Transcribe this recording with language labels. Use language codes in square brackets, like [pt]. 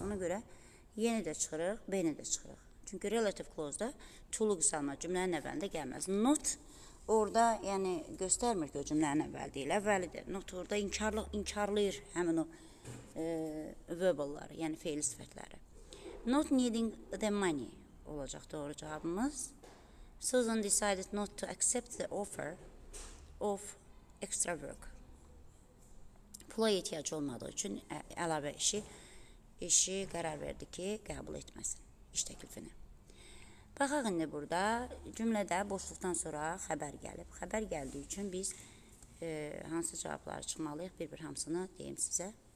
[az] Ona görə yeni də çıxırıq, beni də çıxırıq. Çünki relative clause-da to-lu qısalma cümlənin əvvəlində gəlməz. Not orada yəni göstərmir ki, o cümlənin əvvəli deyil. Əvvəlidir. Not orada inkarlayır həmin o verbal-ları, yəni feil sifətləri. [en] Not needing the money [az] olacaq doğru cavabımız. [en] Susan decided not to accept the offer of extra work. [az] Pula ehtiyac olmadığı üçün əlavə işi qərar verdi ki, qəbul etməsin iş təklifini. Baxaq indi burada cümlədə boşluqdan sonra xəbər gəlib. Xəbər gəldiyi üçün biz hansı cavabları çıxmalıyıq, bir-bir hamısını deyim sizə.